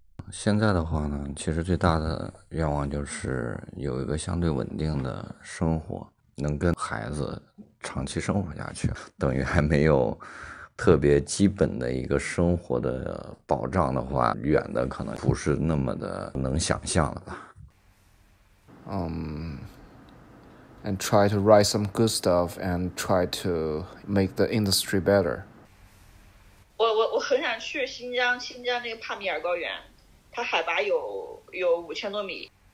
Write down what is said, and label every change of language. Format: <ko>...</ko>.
<zh>现在的话呢，其实最大的愿望就是有一个相对稳定的生活，能跟孩子长期生活下去，等于还没有特别基本的一个生活的保障的话，远的可能不是那么的能想象了吧。</zh> <en>And try to write some good stuff and try to make the industry better.</en> <zh>我很想去新疆那个帕米尔高原，它海拔有5000多米。</zh>